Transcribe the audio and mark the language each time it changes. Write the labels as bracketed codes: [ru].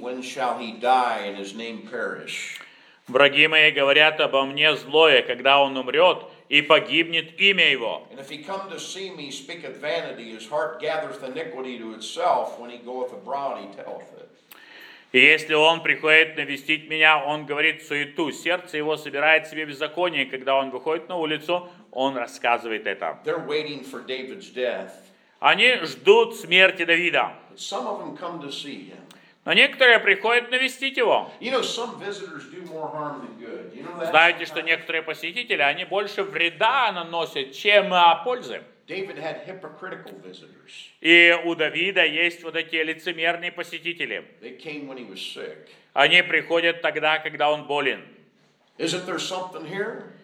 [en] When shall he die and his name perish? [ru] Враги мои говорят обо мне злое, когда он умрет и погибнет имя его. [en] And if he come to see me, speaketh vanity. His heart gathereth iniquity to itself. When he goeth abroad, he telleth it. [ru] И если он приходит навестить меня, он говорит суету. Сердце его собирает себе беззаконие. Когда он выходит на улицу, он рассказывает это. [en] They're waiting for David's death. [ru] Они ждут смерти Давида. [en] Some of them come to see him. [ru] Но некоторые приходят навестить его. [en] You know, some visitors do more harm than good. You know that? [ru] Знаете, что некоторые посетители, они больше вреда наносят, чем пользы. [en] David had hypocritical visitors. [ru] И у Давида есть вот эти лицемерные посетители. [en] They came when he was sick. [ru] Они приходят тогда, когда он болен. [en] Isn't there something here?